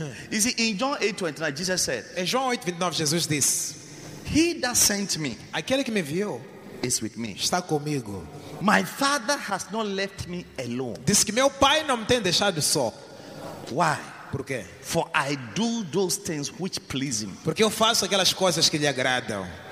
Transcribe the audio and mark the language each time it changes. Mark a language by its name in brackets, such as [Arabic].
[English] You see, in John 8:29, Jesus said. [Portuguese] Em João 8:29, Jesus disse. [English] He that sent me. [Portuguese] Aquele que me enviou. [English] Is with me. [Portuguese] Está comigo. [English] My father has not left me alone. [Portuguese] Diz que meu pai não me tem deixado só. [English] Why? [Portuguese] Por quê? [English] For I do those things which please him. [Portuguese] Porque eu faço aquelas coisas que lhe agradam.